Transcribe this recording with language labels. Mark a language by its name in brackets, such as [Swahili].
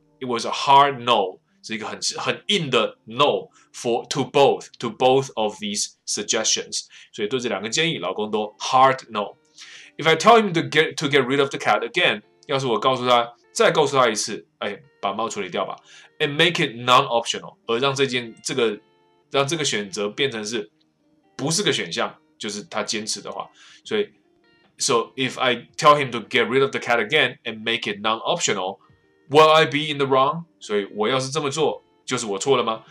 [English] It was a hard no. [Chinese] 是一个 很硬的 [English] no for to both of these suggestions. [Chinese] 所以对这两个建议老公都 hard no. [English] If I tell him to get rid of the cat again, [Chinese] 要是我告诉他再告诉他一次、哎、把猫处理掉吧 [English] and make it non-optional, [Chinese] 而让 让这个选择变成是不是个选项就是他坚持的话。所以 [English] So if I tell him to get rid of the cat again and make it non-optional,Will I be in the wrong? [Chinese] 所以我要是这么做，就是我错了吗？